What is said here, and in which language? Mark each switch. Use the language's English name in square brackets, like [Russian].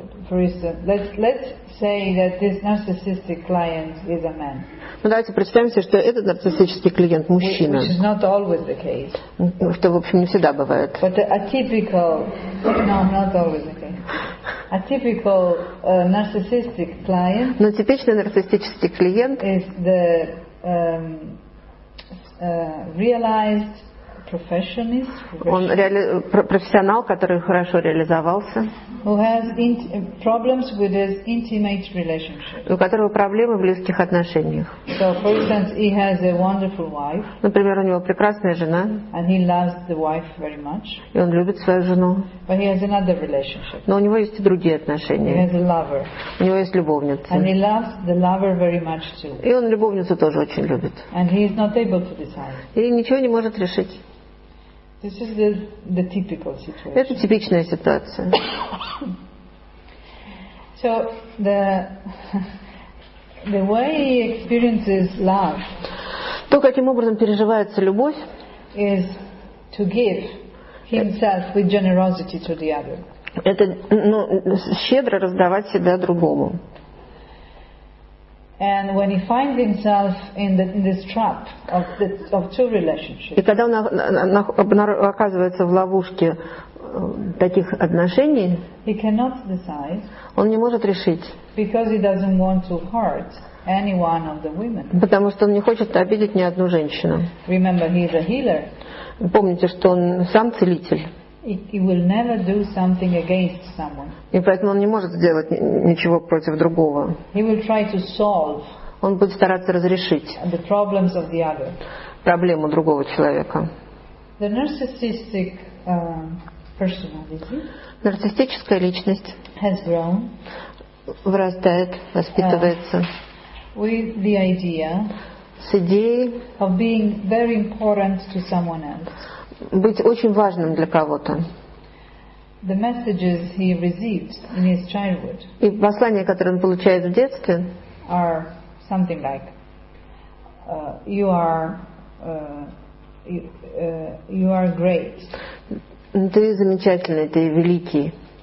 [English] For instance, let's say that this narcissistic client is a man. [Russian] Ну давайте представим себе, что этот нарциссический клиент мужчина. [English] Which is not always the case. [Russian] Что в общем не всегда бывает. [English] But a typical, no, not always the case. A typical narcissistic client. [Russian] Но типичный нарциссический клиент. [English] Is the realized professionist. [Russian] Он профессионал, который хорошо реализовался. [English] Who has problems with his intimate relationship. [Russian] У которого проблемы в близких отношениях. [English] So, for instance, he has a wonderful wife. [Russian] Например, у него прекрасная жена. [English] And he loves the wife very much. [Russian] И он любит свою жену. [English] But he has another relationship. [Russian] Но у него есть и другие отношения. [English] He has a lover. [Russian] У него есть любовница. [English] And he loves the lover very much too. [Russian] И он любовницу тоже очень любит. [English] And he is not able to decide. [Russian] И ничего не может решить. [English] This is the typical situation. [Russian] Это типичная ситуация. [English] So the way he experiences love. [Russian] То, каким образом переживается любовь, [English] is to give himself with generosity to the other. [Russian] Это, ну, щедро раздавать себя другому. [English] And when he finds himself in this trap of two relationships. [Russian] И когда он оказывается в ловушке таких отношений, [English] he cannot decide. [Russian] Он не может решить. [English] Because he doesn't want to hurt any one of the women. [Russian] Потому что он не хочет обидеть ни одну женщину. [English] Remember, he is a healer. [Russian] Помните, что он сам целитель. [English] He will never do something against someone. [Russian] И поэтому он не может сделать ничего против другого. [English] He will try to solve. [Russian] Он будет стараться разрешить [English] the problems of the other. [Russian] Проблему другого человека. [English] The narcissistic personality. [Russian] Нарциссическая личность. [English] Has grown. [Russian] Вырастает, воспитывается. [English] With the idea. [Russian] С идеей. [English] Of being very important to someone else. [Russian] Быть очень важным для кого-то. [English] the messages he received in his childhood. [Russian] И послания, которые он получает в детстве, [English] are something like you are you are great. [Russian] Ты замечательный, ты великий.